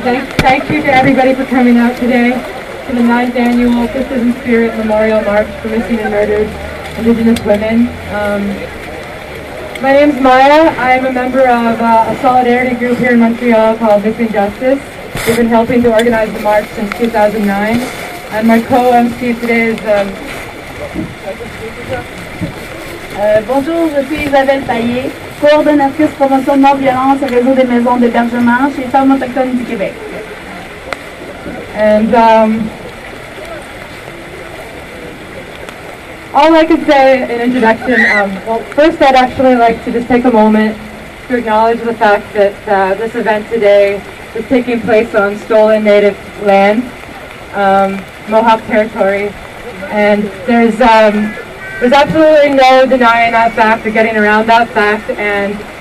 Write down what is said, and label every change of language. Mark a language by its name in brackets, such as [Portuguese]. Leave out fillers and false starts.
[English] Thank you to everybody for coming out today to the 9th annual Sisters in Spirit Memorial March for Missing and Murdered Indigenous Women. My name's Maya. I'm a member of a solidarity group here in Montreal called Victim Justice. We've been helping to organize the march since 2009. And my co-MC today is... [French] Bonjour, je suis Isabelle Paillet, coordonnatrice promotion de non-violence au réseau des maisons d'hébergement chez les femmes autochtones du Québec. [English] And all I could say in introduction, first I'd actually like to just take a moment to acknowledge the fact that this event today is taking place on stolen Native land, Mohawk territory, and there's absolutely no denying that fact or getting around that fact, and